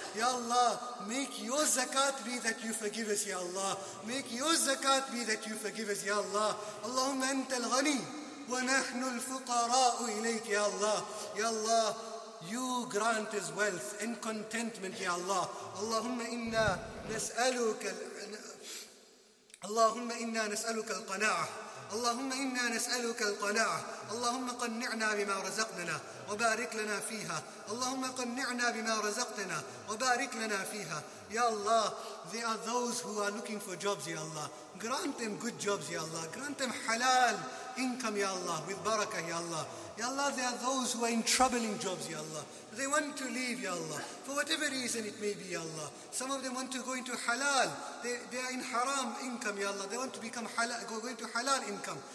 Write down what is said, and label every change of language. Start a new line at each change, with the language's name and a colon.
English: Ya Allah, make your zakat be that you forgive us, Ya Allah. Make your zakat be that you forgive us, Ya Allah.
Arabic: Allahumma anta al-ghani, wa nahnu al-fuqara'u ilayk,
English: Ya Allah. Ya Allah, you grant us wealth and contentment, Ya Allah.
Arabic: Allahumma inna nas'aluka اللهم إنا نسألك القناعة اللهم إنا نسألك القناعة اللهم قنعنا بما رزقتنا وبارك لنا فيها اللهم قنعنا بما رزقتنا وبارك لنا فيها يا الله.
English: There are those who are looking for jobs, Ya Allah. Grant them good jobs, Ya Allah. Grant them halal income, Ya Allah, with barakah, Ya Allah. Ya Allah, there are those who are in troubling jobs, Ya Allah. They want to leave, Ya Allah, for whatever reason it may be, Ya Allah. Some of them want to go into halal. They are in haram income, Ya Allah. They want to become halal, go into halal income.